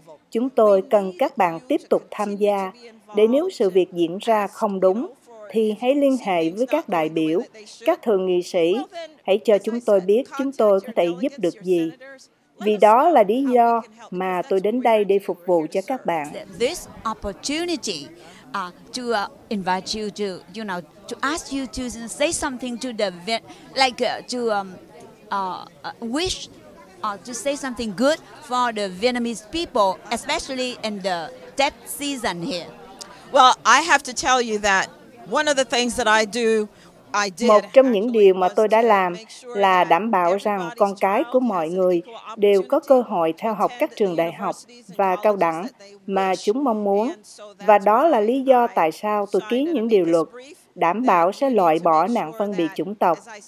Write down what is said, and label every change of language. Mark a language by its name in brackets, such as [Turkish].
[Vietnamese] Chúng tôi cần các bạn tiếp tục tham gia, để nếu sự việc diễn ra không đúng, thì hãy liên hệ với các đại biểu, các thượng nghị sĩ. Hãy cho chúng tôi biết chúng tôi có thể giúp được gì. Vì đó là lý do mà tôi đến đây để phục vụ cho các bạn. [English] This opportunity to invite you to, you know, to ask you to say something to the like to wish to say something good for the Vietnamese people, especially in the Tết season here. Well, I have to tell you that one of the things that I do. [Vietnamese] Một trong những điều mà tôi đã làm là đảm bảo rằng con cái của mọi người đều có cơ hội theo học các trường đại học và cao đẳng mà chúng mong muốn. Và đó là lý do tại sao tôi ký những điều luật đảm bảo sẽ loại bỏ nạn phân biệt chủng tộc.